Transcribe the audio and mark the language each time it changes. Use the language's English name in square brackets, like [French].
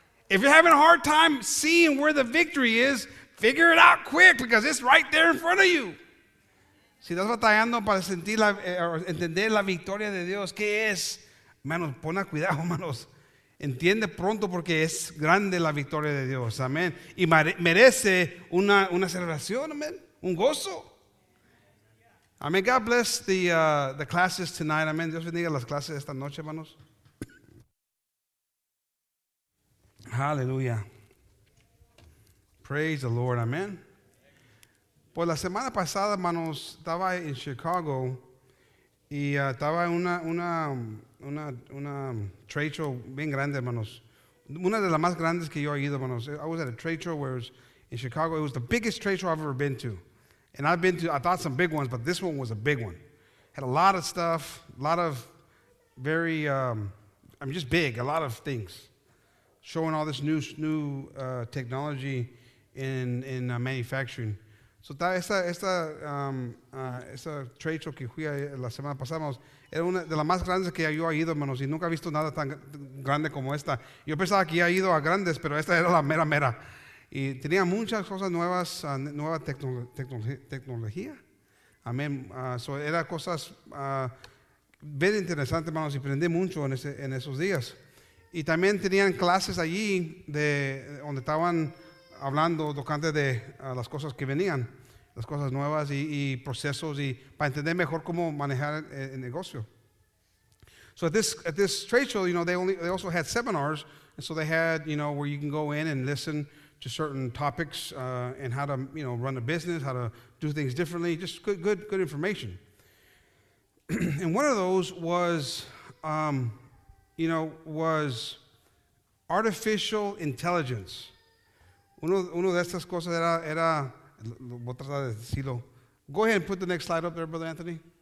[English] If you're having a hard time seeing where the victory is, figure it out quick because it's right there in front of you. [Spanish] Si estás batallando para sentir entender la victoria de Dios, ¿qué es? Hermanos, pon a cuidado, hermanos. Entiende pronto porque es grande la victoria de Dios. Amén. Y merece una celebración. Amén. Un gozo. Amén. [English] God bless the classes tonight. [Spanish] Amén. Dios bendiga las clases esta noche, hermanos. [English] Aleluya. Praise the Lord. Amén. [Spanish] Pues la semana pasada, hermanos, estaba en Chicago y estaba en una trade show bien grande, hermanos. Una de las más grandes que yo he ido, hermanos. [English] I was at a trade show where it was in Chicago. It was the biggest trade show I've ever been to. And I thought some big ones, but this one was a big one. Had a lot of stuff, a lot of very, just big, a lot of things. Showing all this new technology in manufacturing. [Spanish] So esta trade show que fui la semana pasada, era una de las más grandes que yo he ido, hermanos, y nunca he visto nada tan grande como esta. Yo pensaba que ya he ido a grandes, pero esta era la mera mera. Y tenía muchas cosas nuevas, nueva tecnología, Amén. So era cosas bien interesantes, hermanos, y aprendí mucho en esos días. Y también tenían clases allí de donde estaban hablando, tocante de las cosas que venían, las cosas nuevas y procesos y para entender mejor cómo manejar el negocio. [English] So at this trade show, you know, they also had seminars, and so they had, you know, where you can go in and listen to certain topics and how to, you know, run a business, how to do things differently, just good information. And one of those was, you know, was artificial intelligence. [Spanish] Uno de estas cosas era voy a tratar de decirlo. [English] Go ahead and put the next slide up there, Brother Anthony.